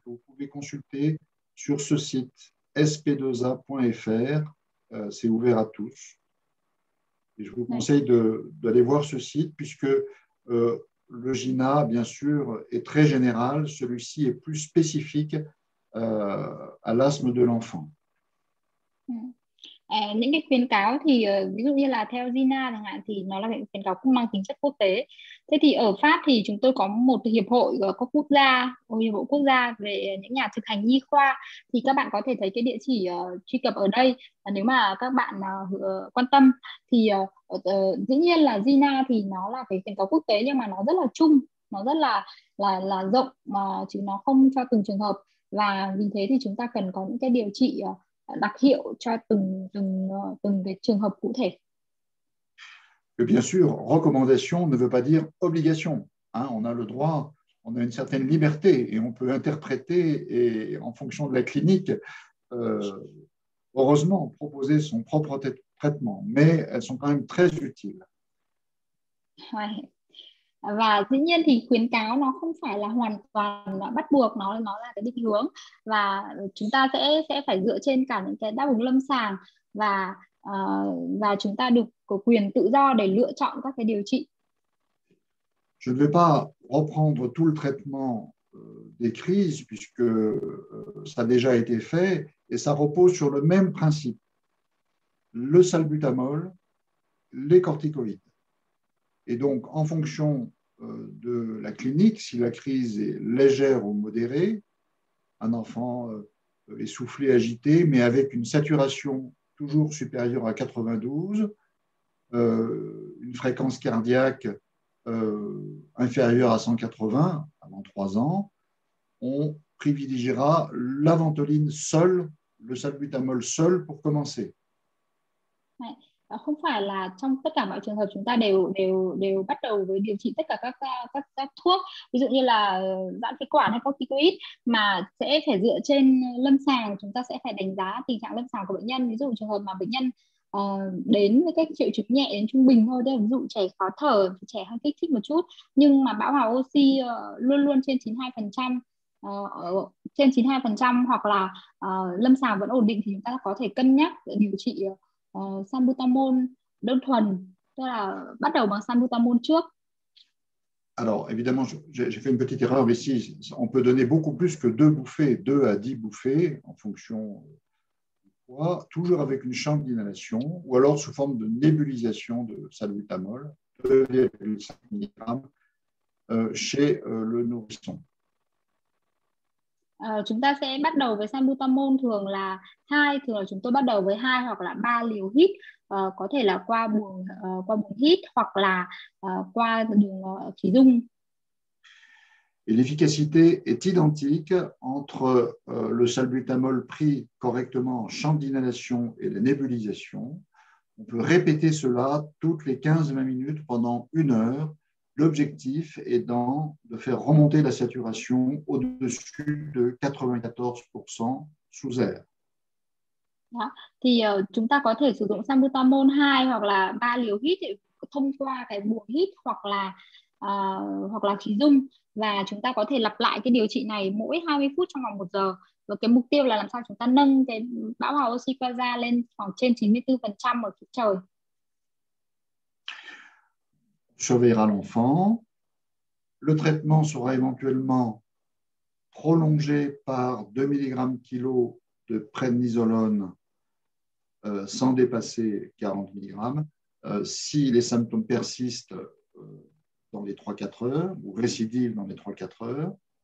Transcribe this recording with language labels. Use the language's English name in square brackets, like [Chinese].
[French] Vous pouvez consulter sur ce site sp2a.fr, c'est ouvert à tous. Et je vous conseille d'aller voir ce site puisque... Le GINA, bien sûr, est très général. Celui-ci est plus spécifique à l'asthme de l'enfant. [Vietnamese] Những cái khuyến cáo thì ví dụ như là theo Gina chẳng hạn thì nó là khuyến cáo cũng mang tính chất quốc tế. Thế thì ở Pháp thì chúng tôi có một hiệp hội ở các quốc gia, một hiệp hội quốc gia về những nhà thực hành nhi khoa, thì các bạn có thể thấy cái địa chỉ truy cập ở đây nếu mà các bạn quan tâm. Thì dĩ nhiên là Gina thì nó là cái khuyến cáo quốc tế nhưng mà nó rất là chung, nó rất là rộng mà chứ nó không cho từng trường hợp, và vì thế thì chúng ta cần có những cái điều trị đặc hiệu cho từng từng từng cái trường hợp cụ thể. [French] Bien sûr, recommandation ne veut pas dire obligation. Hein, on a le droit, on a une certaine liberté et on peut interpréter et en fonction de la clinique, heureusement, proposer son propre traitement, mais elles sont quand même très utiles. [Vietnamese] Và dĩ nhiên thì khuyến cáo nó không phải là hoàn toàn là bắt buộc, nó là cái định hướng và chúng ta sẽ phải dựa trên cả những cái đáp ứng lâm sàng và chúng ta được có quyền tự do để lựa chọn các cái điều trị. [French] Je ne vais pas reprendre tout le traitement des crises, puisque ça a déjà été fait, et ça repose sur le même principe, le salbutamol, les corticoïdes. Et donc, en fonction de la clinique, si la crise est légère ou modérée, un enfant essoufflé, agité, mais avec une saturation toujours supérieure à 92, une fréquence cardiaque inférieure à 180 avant 3 ans, on privilégiera la ventoline seule, le salbutamol seul pour commencer. [Vietnamese] Không phải là trong tất cả mọi trường hợp chúng ta đều đều đều bắt đầu với điều trị tất cả các thuốc ví dụ như là giãn phế quản hay corticoid, mà sẽ phải dựa trên lâm sàng. Chúng ta sẽ phải đánh giá tình trạng lâm sàng của bệnh nhân, ví dụ trường hợp mà bệnh nhân đến với các triệu chứng nhẹ đến trung bình thôi, đây ví dụ trẻ khó thở, trẻ hơi kích thích một chút nhưng mà bão hòa oxy luôn luôn trên 92%, trên 92% hoặc là lâm sàng vẫn ổn định, thì chúng ta có thể cân nhắc để điều trị salbutamol đơn thuần, tức là bắt đầu bằng salbutamol trước. [French] Alors, évidemment, j'ai fait une petite erreur ici. On peut donner beaucoup plus que 2 bouffées, 2 à 10 bouffées, en fonction du poids, toujours avec une chambre d'inhalation, ou alors sous forme de nébulisation de salbutamol, 2,5 mg, chez le nourrisson. [Vietnamese] Chúng ta sẽ bắt đầu với salbutamol thường là hai, thường là chúng tôi bắt đầu với hai hoặc là ba liều hít, có thể là qua buồng hít hoặc là qua đường khí dung. [French] Et l'efficacité est identique entre le salbutamol pris correctement en chambre d'inhalation et la nébulisation. On peut répéter cela toutes les 15-20 minutes pendant 1 heure. L'objectif est de faire remonter la saturation au-dessus de 94% sous air. [Vietnamese] Đó. Thì chúng ta có thể sử dụng salbutamol 2 hoặc là 3 liều hít thông qua cái buồng hít hoặc là khí dung, và chúng ta có thể lặp lại cái điều trị này mỗi 20 phút trong vòng 1 giờ, và cái mục tiêu là làm sao chúng ta nâng cái bão hòa oxy qua da lên khoảng trên 94% ở khí trời. [French] surveillera l'enfant. Le traitement sera éventuellement prolongé par 2 mg kilo de prednisolone sans dépasser 40 mg. Si les symptômes persistent dans les 3-4 heures ou récidivent dans les 3-4 heures.